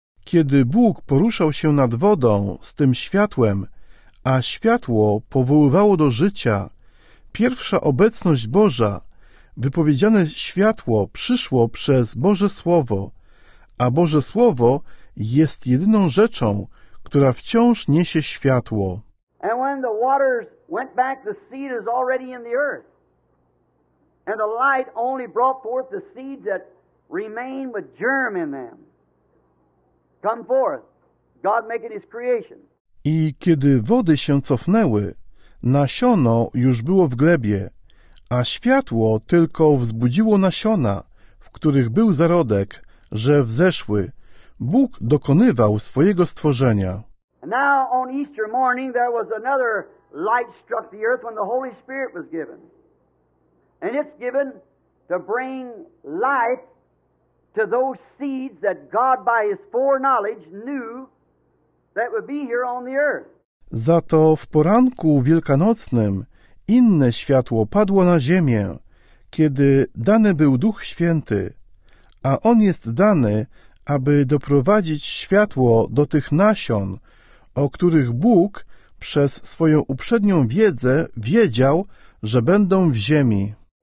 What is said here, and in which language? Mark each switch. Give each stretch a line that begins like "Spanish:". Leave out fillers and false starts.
Polish: Kiedy Bóg poruszał się nad wodą z tym światłem, a światło powoływało do życia, pierwsza obecność Boża, wypowiedziane światło przyszło przez Boże Słowo, a Boże Słowo jest jedyną rzeczą, która wciąż niesie światło.
English: And when the waters went back, the seed is already in the earth. And the light only brought forth the seeds that remain with germ in them. Come forth, God making his creation.
Polish: I kiedy wody się cofnęły, nasiono już było w glebie, a światło tylko wzbudziło nasiona, w których był zarodek, że wzeszły. Bóg dokonywał swojego stworzenia.
English: Now on Easter morning there was another light struck the earth when the Holy Spirit was given. And it's given to bring life to those seeds that God by his foreknowledge knew that would be here on the earth.
Polish: Za to w poranku wielkanocnym inne światło padło na ziemię, kiedy dany był Duch Święty, a on jest dany, aby doprowadzić światło do tych nasion, o których Bóg przez swoją uprzednią wiedzę wiedział, że będą w ziemi.